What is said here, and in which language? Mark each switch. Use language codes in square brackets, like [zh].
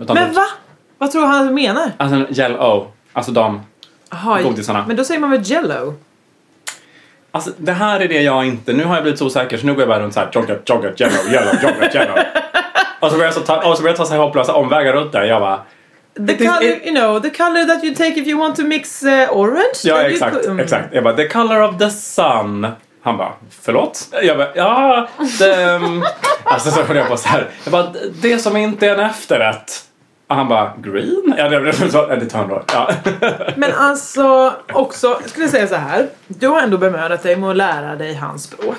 [sv] Utan men vad? Vad tror han menar? Alltså yellow. Alltså de godisarna. Men då säger man väl jello? Alltså det här är det jag inte... Nu har jag blivit så osäker så nu går jag bara runt så här. Yoghurt, yellow, yellow, yoghurt, yellow. Och så började jag ta sig hopplösa omvägar runt där. Jag bara... [en] The color that you take if you want to mix orange. [sv] Ja, exakt, exakt. Jag bara, [en] the color of the sun. [sv] Han bara, förlåt? Jag bara, ja, alltså så får jag på så här. Jag bara, det som inte är en efterrätt. Och han bara, green? Ja, det tar han då. Ja. Men alltså, också, skulle jag säga så här. Du har ändå bemödat dig med att lära dig hans språk.